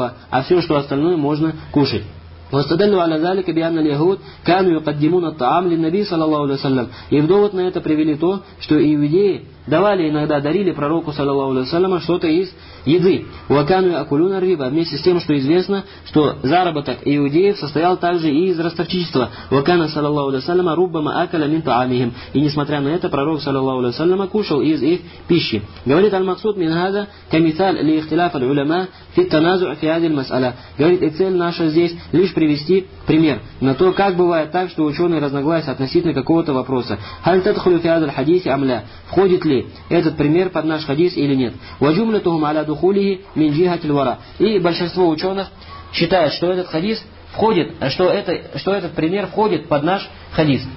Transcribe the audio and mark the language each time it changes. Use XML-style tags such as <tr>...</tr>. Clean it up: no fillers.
<ru>А все, что остальное, можно кушать.</ru> <ar>واستدلوا على ذلك بأن اليهود كانوا يقدمون الطعام للنبي صلى الله عليه وسلم.</ar> <ru>И в довод на это привели то, что иудеи давали иногда дарили пророку صلى الله عليه وسلم что-то из еды.</ru> <ar>وكانوا يأكلون الربا.</ar> <ru>Вместе с тем, что известно, что заработок иудеев состоял также и из ростовчичества.</ru> <ar>وكان صلى الله عليه وسلم ربما أكل من طعامهم.</ar> <ru>И несмотря на это, пророк صلى الله عليه وسلم кушал из их пищи.</ru> <ar>Говорит المقصود من هذا كمثال لاختلاف العلماء في التنازع في هذه المسألة.</ar> <ru>Говорит, и цель наша здесь лишь привести пример на то, как бывает так, что ученые разногласятся относительно какого-то вопроса.</ru> <ar>Хал тадхулю фи хазаль хадис ам ля?</ar> <ru>Входит ли этот пример под наш хадис или нет?</ru> <ar>Ва джумлятухум аля духулихи мин джихатиль вара.</ar> <ru>И большинство ученых считают, что этот хадис входит, что этот пример входит под наш хадис.</ru>